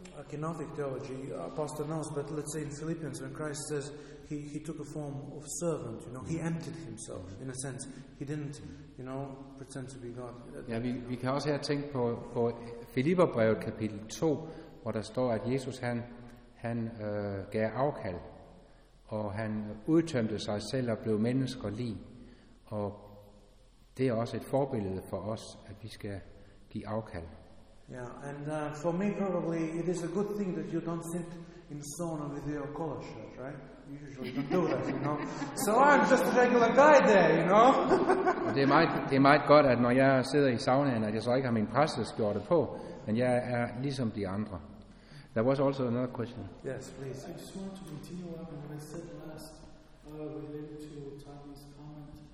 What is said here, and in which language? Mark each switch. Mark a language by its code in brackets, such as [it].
[en] kenotic theology, Apostle knows, but let's say in Philippians, when Christ says he took a form of servant, you know, he emptied himself, in a sense. He didn't, you know, pretend to be God. [da] Ja, vi kan også her tænke på Filipperbrevet kapitel 2, hvor der står, at Jesus han gav afkald, og han udtømte sig selv og blev menneskerlig. Og det er også et forbillede for os, at vi skal give afkald. [en] Yeah, and for me probably it is a good thing that you don't sit in sauna with your collar shirt, right? You usually don't do that, you know. So I'm just a regular guy there, you know. [da] Det er meget godt, at når jeg sidder i saunaen, at jeg så ikke har min præsteskjorte på, men jeg er ligesom de andre. [en] There was also another question. Yes, please. I just want to continue up on what I said last, related to Tommy's comment.